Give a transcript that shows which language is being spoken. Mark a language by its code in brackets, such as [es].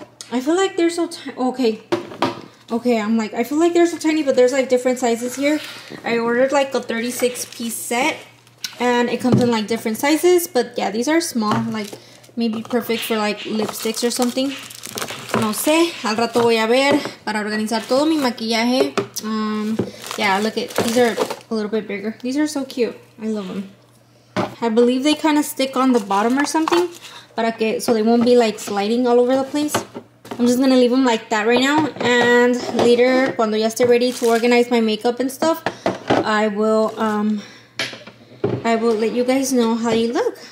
[en] I feel like they're so tiny. Okay, I'm like, I feel like they're so tiny, but there's like different sizes here. I ordered like a 36 piece set and it comes in like different sizes, but yeah, these are small, like maybe perfect for like lipsticks or something. [es] No sé, al rato voy a ver para organizar todo mi maquillaje. [en] Yeah, look at these are a little bit bigger. These are so cute. I love them. I believe they kind of stick on the bottom or something, so they won't be like sliding all over the place. I'm just gonna leave them like that right now, and later, [es] cuando ya esté [en] ready to organize my makeup and stuff, I will let you guys know how you look.